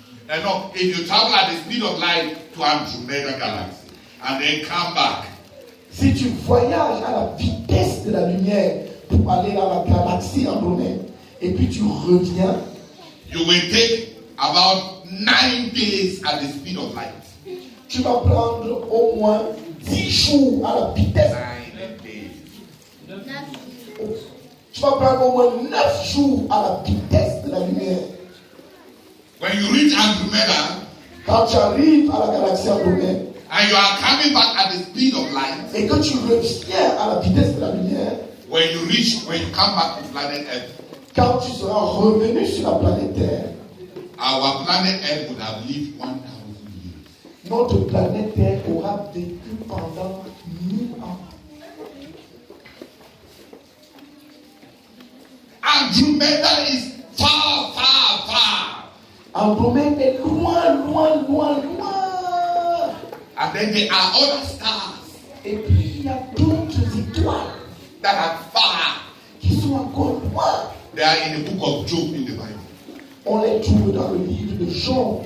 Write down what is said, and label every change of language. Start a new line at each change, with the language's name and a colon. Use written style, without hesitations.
English: And now, if you travel at the speed of light to Andromeda galaxy and then come back,
French: si tu voyages à la vitesse de la lumière pour aller à la galaxie Andromède et puis tu reviens,
English: you will take about 9 days at the speed of light.
French: Tu vas prendre au moins 10 jours à la vitesse.
English: 9 days.
French: Tu vas prendre au moins 9 jours à la vitesse de la lumière.
English: When you reach Andromeda,
French: quand tu arrives à la galaxie Andromède,
English: and you are coming back at the speed of light,
French: et que tu reviens à la vitesse de la lumière,
English: when you come back to planet Earth,
French: quand tu seras revenu sur la planète Terre,
English: our planet Earth would have lived 1,000 years.
French: Notre planète Terre aura vécu pendant 1,000 ans.
English: Andromeda is far, far, far.
French: Andromède est loin, loin, loin, loin.
English: And then there are other stars.
French: Et puis il y a d'autres étoiles
English: that are far.
French: Qui sont encore loin.
English: They are in the book of Job in the Bible.
French: On les trouve dans le livre de Job.